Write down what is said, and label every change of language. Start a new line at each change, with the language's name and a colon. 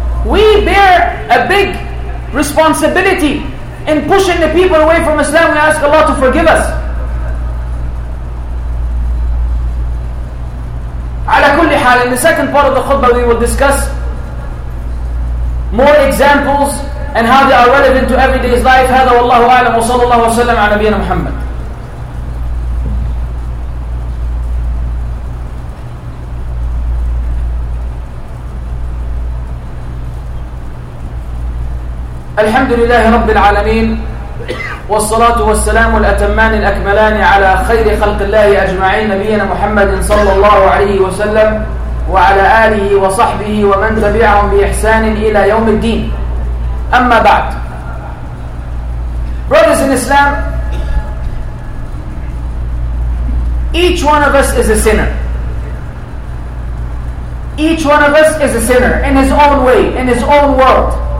English: We bear a big responsibility in pushing the people away from Islam. We ask Allah to forgive us. In the second part of the khutbah, we will discuss more examples and how they are relevant to everyday life.
Arabic: هذا والله أعلم وصلى الله وسلم على نبينا محمد. الحمد لله رب العالمين والصلاة والسلام الأتمان الأكملان على خير خلق الله أجمعين نبينا محمد صلى الله عليه وسلم وعلى آله وصحبه ومن تبعهم بإحسان إلى يوم الدين. أما بعد,
English: brothers in Islam, each one of us is a sinner. Each one of us is a sinner in his own way, in his own world.